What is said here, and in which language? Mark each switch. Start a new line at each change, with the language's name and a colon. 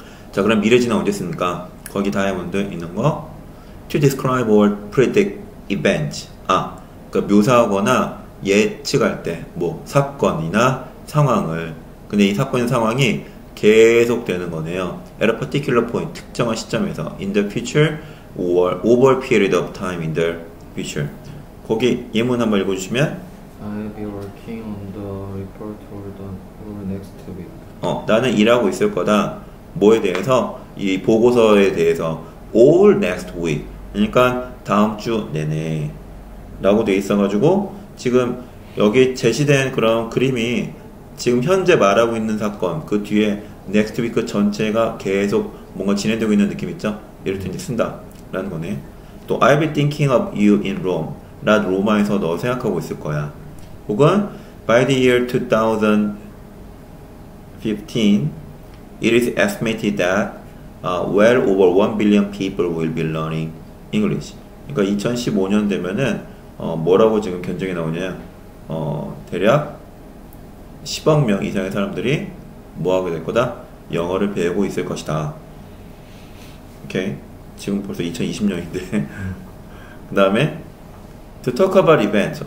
Korean: 자, 그럼 미래 진행 언제 쓰니까 거기 다이아몬드 있는 거
English: To describe or predict events.
Korean: 아, 그러니까 묘사하거나 예측할 때, 뭐, 사건이나 상황을. 근데 이 사건의 상황이 계속되는 거네요.
English: At a particular point,
Korean: 특정한 시점에서.
English: In the future or over period of time in the future.
Korean: 거기 예문 한번 읽어주시면.
English: I'll be working on the report or the next week.
Korean: 나는 일하고 있을 거다. 뭐에 대해서? 이 보고서에 대해서.
English: All next week.
Korean: 그러니까 다음 주 내내 라고 돼 있어 가지고 지금 여기 제시된 그런 그림이 지금 현재 말하고 있는 사건 그 뒤에 next week 전체가 계속 뭔가 진행되고 있는 느낌 있죠? 이럴 때 이제 쓴다 라는 거네.
English: 또 I'll be thinking of you in Rome.
Korean: 난 로마에서 너 생각하고 있을 거야.
English: 혹은 By the year 2015 It is estimated that well over 1 billion people will be learning English.
Korean: 그러니까 2015년 되면은 뭐라고 지금 견적이 나오냐? 대략 10억 명 이상의 사람들이 뭐 하게 될 거다? 영어를 배우고 있을 것이다. 오케이. 지금 벌써 2020년인데. 그다음에
English: to talk about events.